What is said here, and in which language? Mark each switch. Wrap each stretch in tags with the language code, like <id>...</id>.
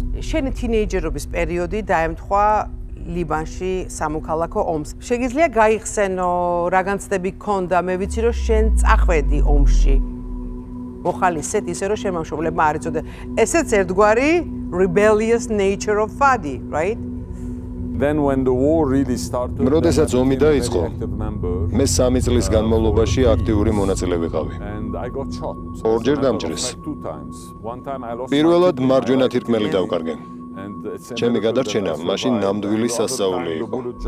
<ka>შენი თინეიჯერობის პერიოდი დაემთხვა ლიბანში სამოქალაქო ომს. შეგიძლია გაიხსენო, რაგან ცდები ქონდა? მე ვიცი, რომ შენ წახვედი ომში. მოხალისეთ ისე, რომ შემამშობლებმა არ იცოდნენ. ესეც ერთგვარი</ka> <en>rebellious nature of ფადი, right? Then when the war really started,</en> <ka>როდესაც ომი დაიწყო, მე 3 წლის განმავლობაში აქტიური მონაწილე ვიყავი. ორჯერ დამჭრეს. პირველად მარჯვენა თირკმელი დავკარგე. ჩემი გადარჩენა მაშინ ნამდვილი სასწაული იყო.</ka>